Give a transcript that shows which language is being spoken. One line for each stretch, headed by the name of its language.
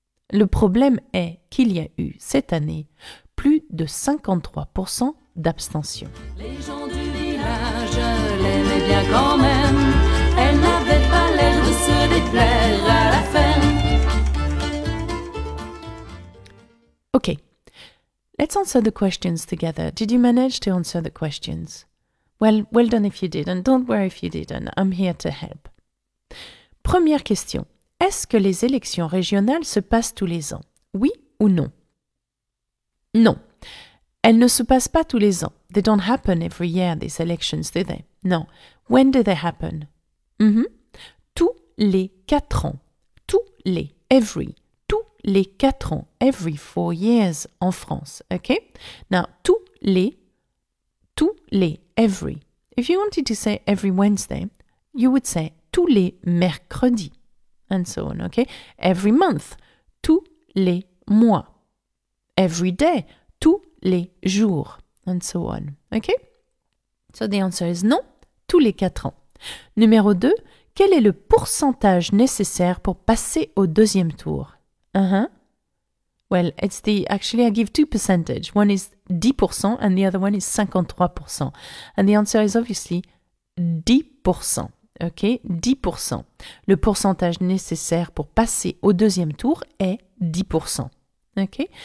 French: Le problème est qu'il y a eu, cette année, plus de 53% d'abstention. Les gens du village l'aimaient bien quand même. Elle n'avait pas l'air de se déplaire à la ferme.
English: Okay, let's answer the questions together. Did you manage to answer the questions? Well, well done if you did, and don't worry if you didn't. I'm here to help.
French: Première question. Est-ce que les élections régionales se passent tous les ans? Oui ou non? Non. Elles ne se passent pas tous les ans.
English: They don't happen every year, these elections, do they? No. When do they happen?
French: Tous les 4 ans. Tous les,
English: every.
French: Les 4 ans,
English: every 4 years en France, ok? Now, tous les, every. If you wanted to say every Wednesday, you would say
French: tous les mercredis,
English: and so on, ok? Every month,
French: tous les mois.
English: Every day,
French: tous les jours,
English: and so on, ok? So the answer is
French: non, tous les 4 ans. Numéro 2, quel est le pourcentage nécessaire pour passer au deuxième tour?
English: Well, it's the, actually, I give two percentage. One is 10% and the other one is 53%. And the answer is obviously 10%. Okay, 10%.
French: Le pourcentage nécessaire pour passer au deuxième tour est 10%. Okay,